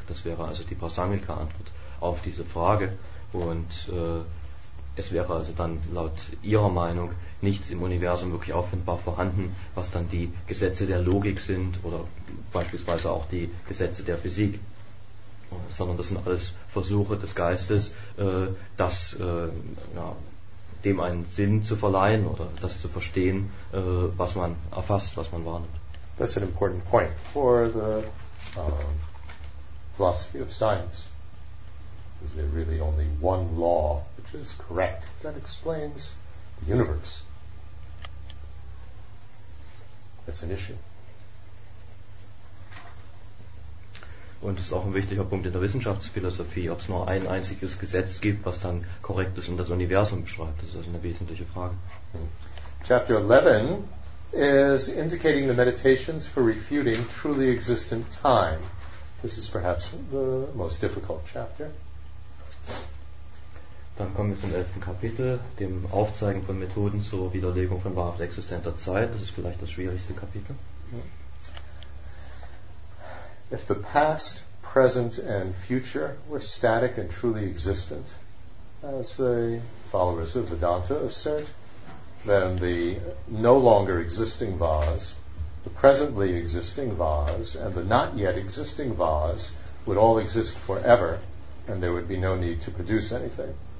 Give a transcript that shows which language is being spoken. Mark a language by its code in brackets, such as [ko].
[de] Das wäre also die Prasangika-Antwort auf diese Frage. Und es wäre also dann laut Ihrer Meinung nichts im Universum wirklich auffindbar vorhanden, was dann die Gesetze der Logik sind oder beispielsweise auch die Gesetze der Physik, sondern das sind alles Versuche des Geistes, dem einen Sinn zu verleihen oder das zu verstehen, was man erfasst, was man wahrnimmt. [en] That's an important point for the philosophy of science. Is there really only one law which is correct that explains the universe? That's an issue. [de] Und es ist auch ein wichtiger Punkt in der Wissenschaftsphilosophie, ob es nur ein einziges Gesetz gibt, was dann korrekt ist und das Universum beschreibt. Das ist also eine wesentliche Frage. [en] Chapter 11 is indicating the meditations for refuting truly existent time. This is perhaps the most difficult chapter. [de] Dann kommen wir zum 11. Kapitel, dem Aufzeigen von Methoden zur Widerlegung von wahrhaft existenter Zeit. Das ist vielleicht das schwierigste Kapitel. [en] If the past, present and future were static and truly existent, as the followers of Vedanta assert, then the no longer existing vase, the presently existing vase and the not yet existing vase would all exist forever and there would be no need to produce anything.